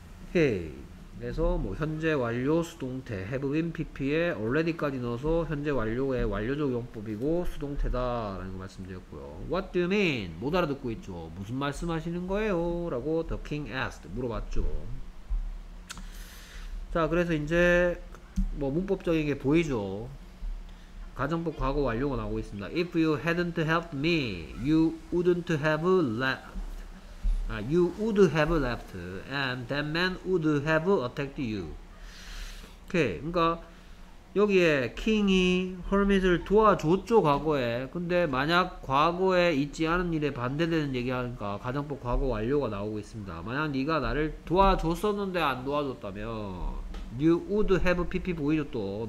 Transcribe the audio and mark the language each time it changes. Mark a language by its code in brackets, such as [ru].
[ko] 오케이. 그래서 뭐 현재 완료 수동태 have been PP에 already까지 넣어서 현재 완료의 완료적 용법이고 수동태다라는 거 말씀드렸고요. [en] What do you mean? [ko] 못 알아듣고 있죠. 무슨 말씀하시는 거예요? 라고 [en] the king asked [ko] 물어봤죠. 자, 그래서 이제 뭐 문법적인 게 보이죠. 가정법 과거 완료가 나오고 있습니다. [en] If you hadn't helped me, you wouldn't have left. You would have left, and that man would have attacked you. [ko] 오케이, 그러니까 여기에 킹이 허밋을 도와줬죠 과거에. 근데 만약 과거에 있지 않은 일에 반대되는 얘기하니까 가정법 과거 완료가 나오고 있습니다. 만약 네가 나를 도와줬었는데 안 도와줬다면, [en] you would have PP [ko] 보이죠 또.